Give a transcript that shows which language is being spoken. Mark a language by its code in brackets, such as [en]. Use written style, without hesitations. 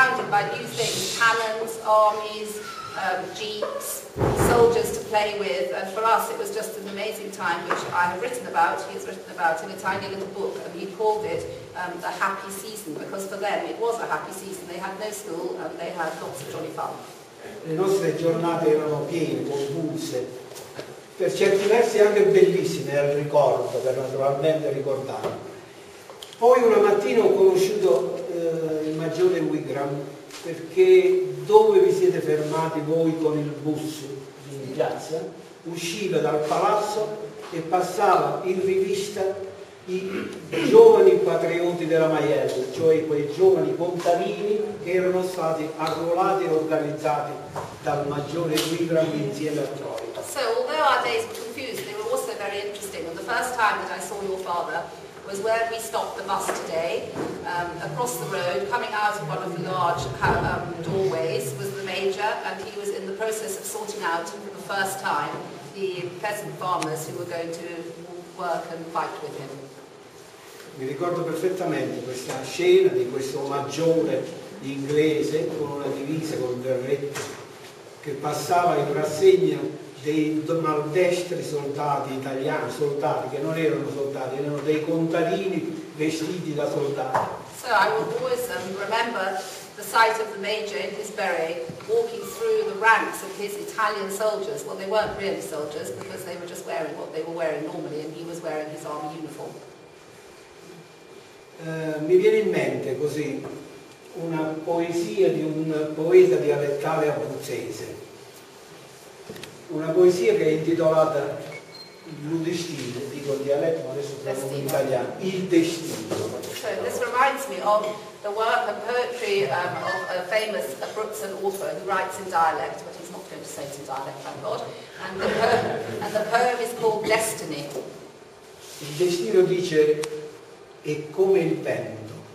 [en] by using cannons, armies, jeeps, soldiers to play with, and for us it was just an amazing time, which I have written about, he has written about in a tiny little book, and he called it the happy season, because for them it was a happy season. They had no school and they had lots of jolly fun. [it] Le nostre giornate erano piene, convulse, per certi versi anche bellissime nel ricordo, per naturalmente ricordare. Poi una mattina ho conosciuto il maggiore Wigram, perché dove vi siete fermati voi con il bus in piazza, usciva dal palazzo e passava in rivista i giovani patrioti della Maiella, cioè quei giovani contadini che erano stati arruolati e organizzati dal maggiore Wigram insieme a Troia. [en] So, although our days were confused, they were also very interesting. And the first time that I saw your father was where we stopped the bus today, across the road, coming out of one of the large doorways, was the major, and he was in the process of sorting out for the first time the peasant farmers who were going to work and fight with him. [it] Mi ricordo perfettamente questa scena di questo maggiore inglese con una divisa, con un berretto, che passava in rassegna dei maldestri soldati italiani, soldati che non erano soldati, erano dei contadini vestiti da soldati. [en] So I will always remember the sight of the major in his beret walking through the ranks of his Italian soldiers. Well, they weren't really soldiers because they were just wearing what they were wearing normally, and he was wearing his army uniform. [it] Mi viene in mente così una poesia di un poeta dialettale abruzzese, una poesia che è intitolata L'Udestino, dico il dialetto ma adesso parlo in italiano, Il Destino. [en] So this reminds me of the work of poetry of a famous Abruzzan author who writes in dialect, but he's not going to say it in dialect, thank God, and the poem is called Destiny. [it] Il Destino dice è come il vento.